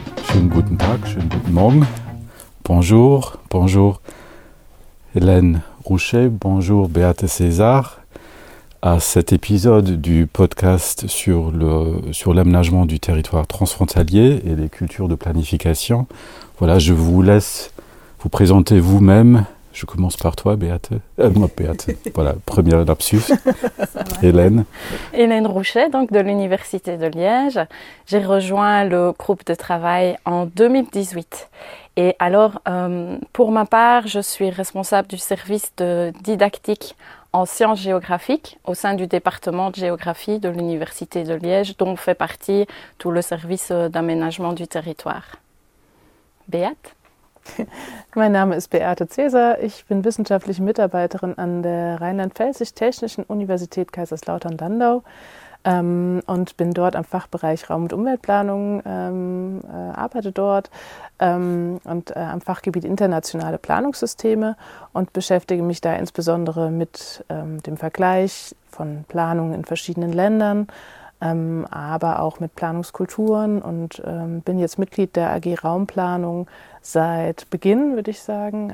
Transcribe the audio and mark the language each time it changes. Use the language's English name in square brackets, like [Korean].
[German] Schönen guten Tag, schönen guten Morgen. [French] Bonjour, bonjour Hélène Rouchet, bonjour Béate César. À cet épisode du podcast sur l'aménagement du territoire transfrontalier et les cultures de planification, voilà, je vous laisse vous présenter vous-même. Je commence par toi, Béate. Moi, Béate. Voilà, premier lapsus. Hélène. Hélène Rouchet, donc de l'Université de Liège. J'ai rejoint le groupe de travail en 2018. Et alors, pour ma part, je suis responsable du service de didactique en sciences géographiques au sein du département de géographie de l'Université de Liège, dont fait partie tout le service d'aménagement du territoire. Béate. [German] Mein Name ist Beate Cäsar. Ich bin wissenschaftliche Mitarbeiterin an der Rheinland-Pfälzisch-Technischen Universität Kaiserslautern-Landau und bin dort am Fachbereich Raum- und Umweltplanung, arbeite dort und am Fachgebiet internationale Planungssysteme und beschäftige mich da insbesondere mit dem Vergleich von Planungen in verschiedenen Ländern, aber auch mit Planungskulturen und bin jetzt Mitglied der AG Raumplanung seit Beginn, würde ich sagen.